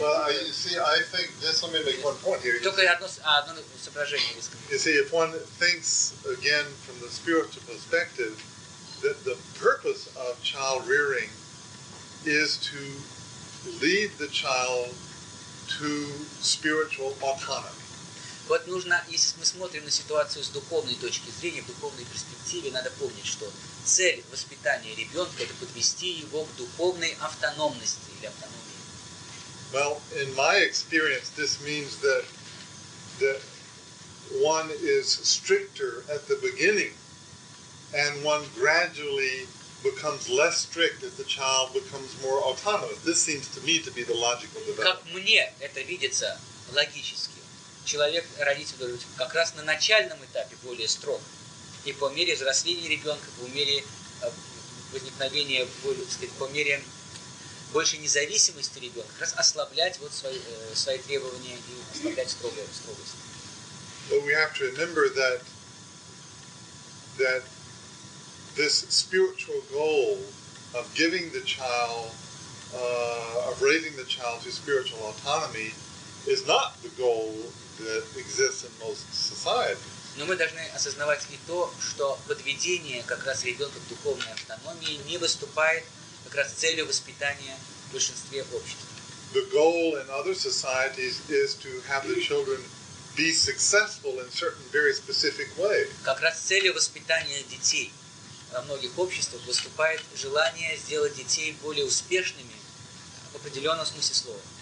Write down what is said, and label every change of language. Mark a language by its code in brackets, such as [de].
[en] Well, you see, I think, just let me make one point here. You see, if one thinks, again, from the spiritual perspective, that the purpose of child rearing is to lead the child to spiritual autonomy. [ru] Вот нужно, если мы смотрим на ситуацию с духовной точки зрения, в духовной перспективе, надо помнить, что цель воспитания ребенка – это подвести его к духовной автономности или автономии. [en] Well, in my experience, this means that one is stricter at the beginning, and one gradually becomes less strict as the child becomes more autonomous. This seems to me to be the logical development. [ru] Как мне это видится логически? Человек, родитель, говорит, как раз на начальном этапе более строг. И по мере взросления ребенка, по мере возникновения, по мере большей независимости ребенка, как раз ослаблять вот свои требования и ослаблять строгость. [en] But we have to remember that this spiritual goal of giving the child, of raising the child to spiritual autonomy is not the goal that exists in most societies. [ru] Но мы должны осознавать и то, что подведение как раз ребенка к духовной автономии не выступает как раз целью воспитания в большинстве общества. [en] The goal in other societies is to have the children be successful in certain very specific ways. [ru] Как раз целью воспитания детей во многих обществах выступает желание сделать детей более успешными в определенном смысле слова.